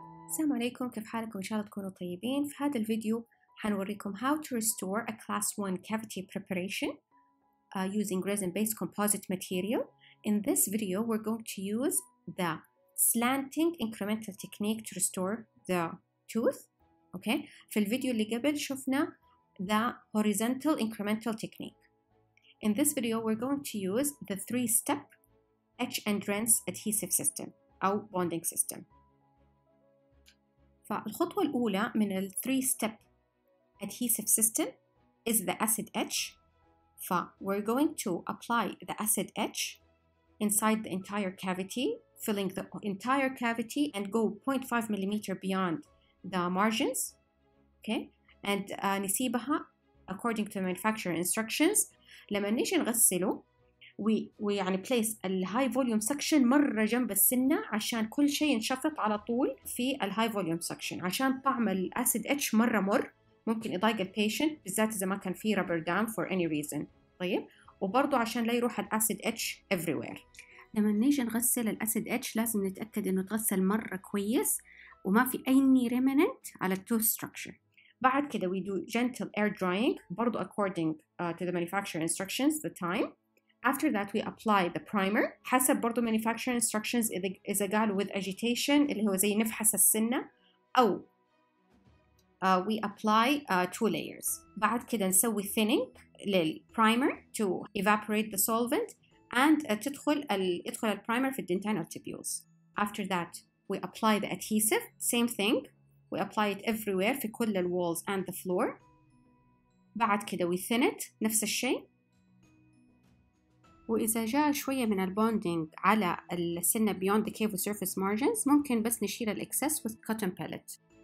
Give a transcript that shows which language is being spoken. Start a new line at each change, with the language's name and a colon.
Arabic: السلام عليكم، كيف حالكم؟ إن شاء الله تكونوا طيبين. في هذا الفيديو حنوريكم
English: how to restore a class 1 cavity preparation using resin-based composite material. In this video, we're going to use the slanting incremental technique to restore the tooth. Okay.
Arabic: في الفيديو اللي قبل شفنا
English: the horizontal incremental technique. In this video, we're going to use the 3-step etch and rinse adhesive system
Arabic: أو
English: bonding system.
Arabic: فالخطوة الأولى من الـ
English: 3-step adhesive system is the acid etch. فwe're going to apply the acid etch inside the entire cavity, filling the entire cavity and go 0.5 millimeter beyond the margins. Okay, and
Arabic: نسيبها
English: according to the manufacturer instructions.
Arabic: لما نيجي نغسله
English: we
Arabic: يعني place ال
English: high volume section
Arabic: مرة جنب السنة عشان كل شيء ينشفط على طول في ال high volume section، عشان طعم ال acid etch مرة مر ممكن يضايق ال patient بالذات إذا ما كان في rubber dam
English: for any reason.
Arabic: طيب، وبرضو عشان لا يروح ال
English: acid etch everywhere.
Arabic: لما نيجي نغسل ال acid etch لازم نتأكد إنه تغسل مرة كويس وما في أي remnant على ال tooth structure. بعد كده
English: we do gentle air drying برضو according to the manufacturer instructions the time. After that, we apply the primer.
Arabic: حسب برضو
English: manufacturer instructions,
Arabic: إذا قالوا
English: with agitation,
Arabic: اللي هو زي نفحص السنة, أو
English: we apply two layers.
Arabic: بعد كده نسوي
English: thinning للprimer to evaporate the solvent and تدخل primer في dentinal tubules. After that, we apply the adhesive. Same thing. We apply it everywhere
Arabic: في كل
English: the walls and the floor.
Arabic: بعد كده
English: we thin it.
Arabic: نفس الشيء. وإذا جاء شوية من البوندينج على السنة
English: beyond the cavity surface margins
Arabic: ممكن بس نشيل الإكسس
English: with cotton pellet.